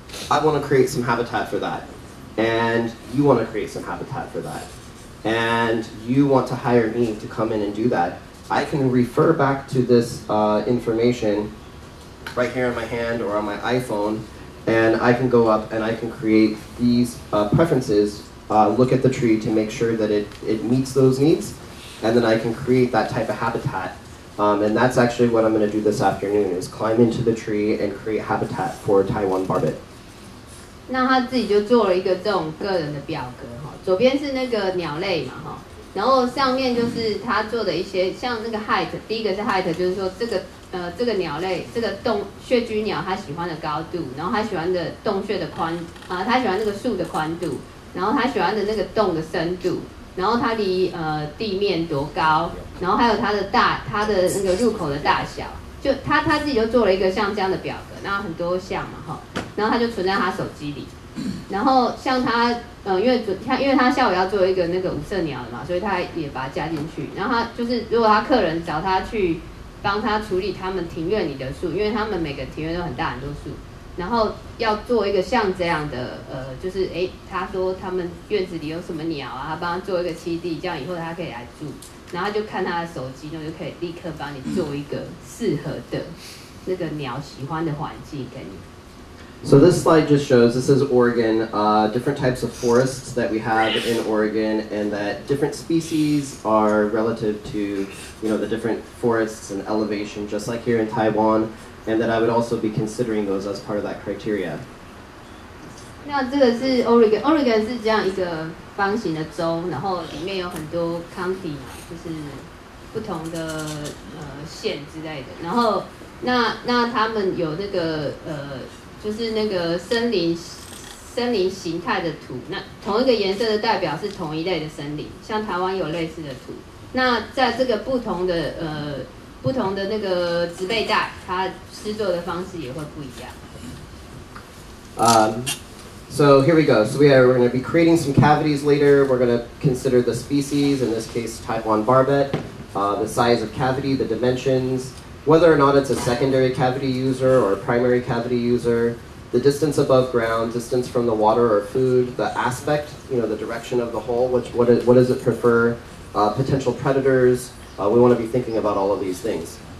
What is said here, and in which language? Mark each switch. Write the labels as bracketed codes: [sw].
[en] I want to create some habitat for that, and you want to create some habitat for that, and you want to hire me to come in and do that, I can refer back to this information right here in my hand or on my iPhone, and I can go up and I can create these preferences, look at the tree to make sure that it meets those needs, and then I can create that type of habitat. And that's actually what I'm going to do this afternoon, is climb into the tree and create habitat for Taiwan barbet. [zh] 那他自己就做了一个这种个人的表格，左边是那个鸟类嘛，然后上面就是他做的一些像那个 height， 第一个是 height， 就是说这个鸟类，这个洞穴居鸟他喜欢的高度，然后他喜欢的洞穴的宽啊，他喜欢那个树的宽度，然后他喜欢的那个洞的深度，然后他离地面多高，然后还有他的那个入口的大小，就他自己就做了一个像这样的表格，然后很多项嘛，然后他就存在他手机里，然后像他因为他下午要做一个那个五色鸟的嘛，所以他也把它加进去，然后他就是如果他客人找他去帮他处理他们庭院里的树，因为他们每个庭院都很大很多树，然后要做一个像这样的就是他说他们院子里有什么鸟啊，他帮他做一个栖地，这样以后他可以来住，然后就看他的手机，然后就可以立刻帮你做一个适合的那个鸟喜欢的环境给你。 [en] So this slide just shows, this is Oregon, different types of forests that we have in Oregon, and that different species are relative to, you know, the different forests and elevation, just like here in Taiwan, and that I would also be considering those as part of that criteria. [zh] 那这个是 Oregon 是这样一个方形的州，然后里面有很多 county， 就是不同的县之类的，然后那他们有那个就是那个森林形态的土，那同一个颜色的代表是同一类的森林，像台湾有类似的土，那在这个不同的那个植被带，它施作的方式也会不一样。 [en] So here we go. So we're going to be creating some cavities later. We're going to consider the species, in this case Taiwan barbet, the size of cavity, the dimensions, whether or not it's a secondary cavity user or a primary cavity user, the distance above ground, distance from the water or food, the aspect, you know, the direction of the hole, what does it prefer, potential predators, we want to be thinking about all of these things.